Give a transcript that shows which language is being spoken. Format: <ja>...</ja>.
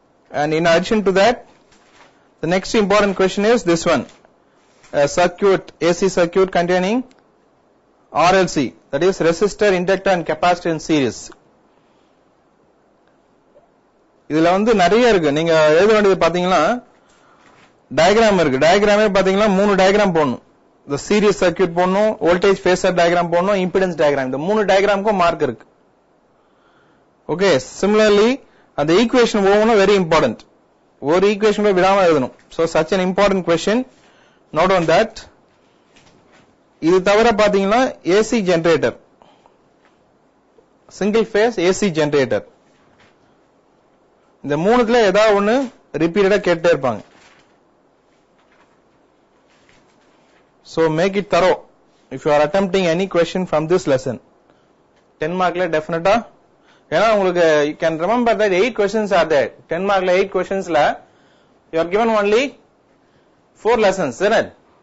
<en>And in addition to that, the next important question is this one. A circuit, AC circuit containing RLC, that is resistor, inductor and capacitor in series.</en> <ta>இதுல வந்து நிறைய இருக்கு. நீங்க எழுத வேண்டியது பாத்தீங்கன்னா diagram இருக்கு. டயக்ராமே பாத்தீங்கன்னா மூணு டயக்ராம் போடணும். இந்த சீரியஸ் சர்க்கியூட் போடணும், வோல்டேஜ் ஃபேசர் டயக்ராம் போடணும், இம்பிடன்ஸ் டயக்ராம். இந்த மூணு டயக்ராமுக்கும் மார்க் இருக்கு. ஓகே, சிமிலர்லி அந்த ஈக்குவேஷன் போகணும்.</ta> <en>Very important.</en> <ta>ஒரு ஈக்குவேஷன் கூட விடாமல் எழுதணும்.</ta> <en>So such an important question, note on that.</en> <ta>இது தவிர பாத்தீங்கன்னா AC generator, single phase AC generator, இந்த மூணுத்துல ஏதாவது ஒன்று ரிப்பீட்டடாக கேட்டே இருப்பாங்க.</ta> <en>So make it thorough if you are attempting any question from this lesson. 10 mark la definite ah,</en> <ta>ena ungalku</ta> <en>you can remember that 8 questions are there. 10 mark la 8 questions la you are given only 4 lessons, isn't it?</en>